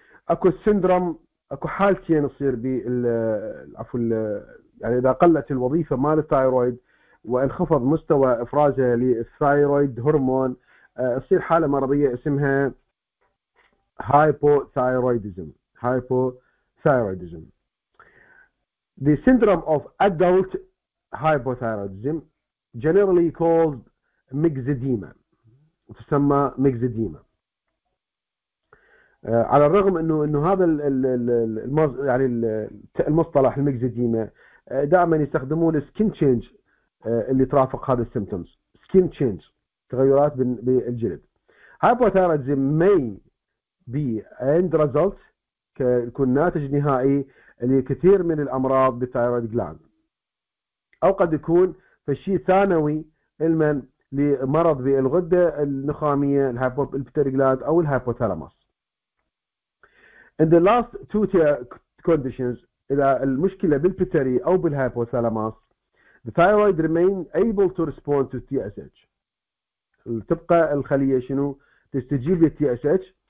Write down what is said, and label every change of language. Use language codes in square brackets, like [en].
[ar] اكو سندروم، اكو حالتين يصير بال عفوا يعني اذا قلت الوظيفه مال الثايرويد وانخفض مستوى افرازه للثايرويد هرمون، تصير حاله مرضيه اسمها هايبوثايرويدزم. [en] Hypothyroidism. The syndrome of adult hypothyroidism generally called myxedema. [ar] تسمى ميكزيديما. على الرغم انه هذا يعني المصطلح الميكزيديما دائما يستخدمون السكين تشينج اللي ترافق هذا السيمتومز، سكين تشينج، تغيرات بالجلد. [en] Hypothyroidism may be end result، [ar] يكون ناتج نهائي لكثير من الامراض بالثايرويد جلاند، او قد يكون فشيء ثانوي المن لمرض بالغده النخاميه الهايبوثايرويد جلاند او الهايبوثالاموس. [en] In the last two tier conditions، [ar] اذا المشكله بالبيتري او بالهايبوثالاموس، [en] the thyroid remain able to respond to TSH. [ar] تبقى الخليه شنو؟ تستجيب لل TSH.